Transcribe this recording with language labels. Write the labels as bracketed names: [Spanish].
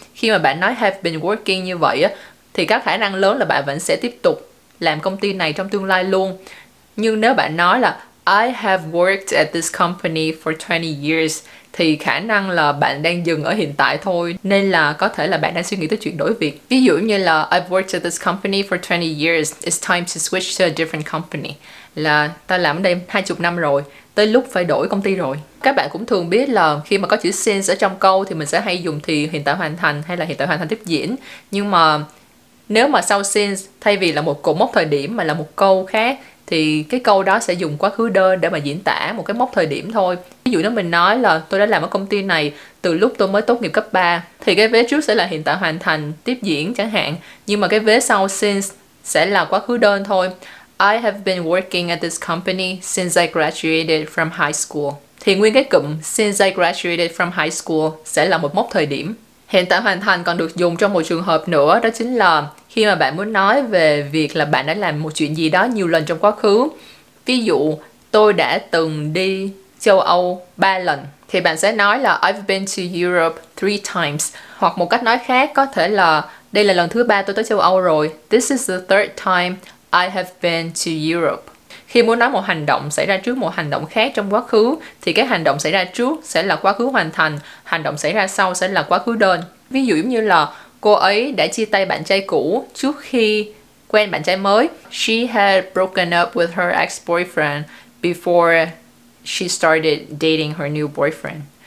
[Vietnamese] Khi mà bạn nói [English] have been working [Vietnamese] như vậy á, thì các khả năng lớn là bạn vẫn sẽ tiếp tục làm công ty này trong tương lai luôn. Nhưng nếu bạn nói là [English] I have worked at this company for 20 years, [Vietnamese] thì khả năng là bạn đang dừng ở hiện tại thôi, nên là có thể là bạn đang suy nghĩ tới chuyện đổi việc. Ví dụ như là [English] I've worked at this company for 20 years, it's time to switch to a different company. [Vietnamese] là ta làm đây 20 năm rồi, tới lúc phải đổi công ty rồi. Các bạn cũng thường biết là khi mà có chữ since ở trong câu thì mình sẽ hay dùng thì hiện tại hoàn thành hay là hiện tại hoàn thành tiếp diễn. Nhưng mà nếu mà sau since thay vì là một cột mốc thời điểm mà là một câu khác thì cái câu đó sẽ dùng quá khứ đơn để mà diễn tả một cái mốc thời điểm thôi. Ví dụ nếu mình nói là tôi đã làm ở công ty này từ lúc tôi mới tốt nghiệp cấp 3 thì cái vế trước sẽ là hiện tại hoàn thành tiếp diễn chẳng hạn. Nhưng mà cái vế sau since sẽ là quá khứ đơn thôi. [English] I have been working at this company since I graduated from high school. [Vietnamese] Thì nguyên cái cụm [English] since I graduated from high school [Vietnamese] sẽ là một mốc thời điểm. Hiện tại hoàn thành còn được dùng trong một trường hợp nữa, đó chính là khi mà bạn muốn nói về việc là bạn đã làm một chuyện gì đó nhiều lần trong quá khứ. Ví dụ, tôi đã từng đi châu Âu 3 lần. Thì bạn sẽ nói là [English] I've been to Europe 3 times. [Vietnamese] Hoặc một cách nói khác có thể là đây là lần thứ 3 tôi tới châu Âu rồi. [English] This is the third time I have been to Europe. [Vietnamese] Khi muốn nói một hành động xảy ra trước một hành động khác trong quá khứ thì cái hành động xảy ra trước sẽ là quá khứ hoàn thành, hành động xảy ra sau sẽ là quá khứ đơn. Ví dụ giống như là cô ấy đã chia tay bạn trai cũ trước khi quen bạn trai mới. [English] She had broken up with her ex-boyfriend before she started dating her new boyfriend.